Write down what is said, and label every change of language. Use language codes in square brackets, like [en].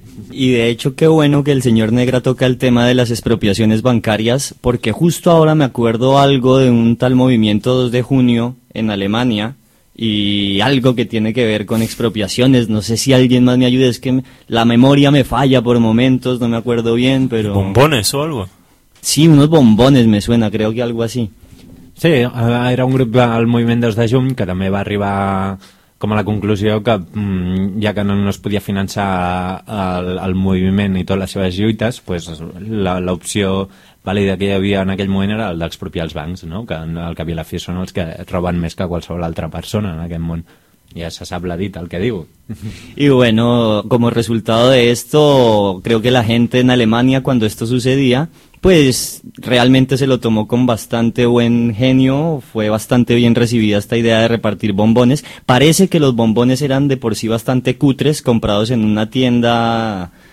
[es] Y de hecho, qué bueno que el señor Negra toca el tema de las expropiaciones bancarias, porque justo ahora me acuerdo algo de un tal movimiento 2 de junio en Alemania, y algo que tiene que ver con expropiaciones, no sé si alguien más me ayude, es que la memoria me falla por momentos, no me acuerdo bien, pero... ¿Bombones o algo? Sí, unos bombones me suena, creo que algo así. [ca] Sí, era un grupo del Moviment 2 de Juny que també va arribar com a la conclusió que, ja que no es podia finançar el moviment i totes les seves lluites, pues l'opció vàlida que hi havia en aquell moment era el d'expropiar els bancs, no? Que al cap i a la fi són els que roben més que qualsevol altra persona en aquest món. Ja se sap la dita el que diu. [es] Y bueno, como resultado de esto, creo que la gente en Alemania, cuando esto sucedía, pues realmente se lo tomó con bastante buen genio, fue bastante bien recibida esta idea de repartir bombones. Parece que los bombones eran de por sí bastante cutres, comprados en una tienda